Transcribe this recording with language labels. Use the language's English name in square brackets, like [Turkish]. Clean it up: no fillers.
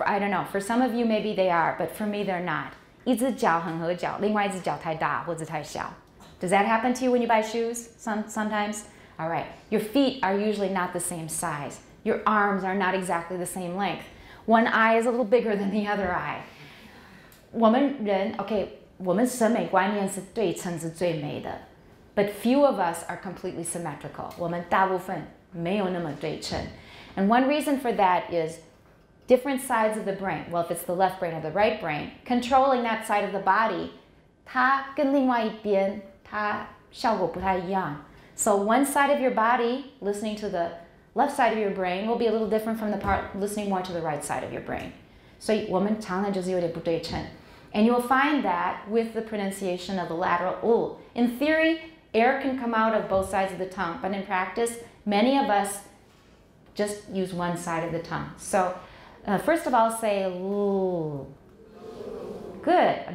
[English] I don't know. For some of you, maybe they are, but for me, they're not. [Chinese] 一只脚很合脚，另外一只脚太大或者太小. [English] Does that happen to you when you buy shoes? Sometimes? All right. Your feet are usually not the same size. Your arms are not exactly the same length. One eye is a little bigger than the other eye. [Chinese] 我们人, okay, 我们审美观念是对称是最美的. [English] But few of us are completely symmetrical. [Chinese] 我们大部分没有那么对称. [English] And one reason for that is different sides of the brain, well, if it's the left brain or the right brain, controlling that side of the body, [Chinese] 它跟另外一边,它效果不太一样. [English] So one side of your body, listening to the left side of your brain, will be a little different from the part listening more to the right side of your brain. [Chinese] So 我们常常就是有点不对称. [English] And you'll find that with the pronunciation of the lateral U. In theory, air can come out of both sides of the tongue, but in practice, many of us just use one side of the tongue. So first of all, say loo. Good.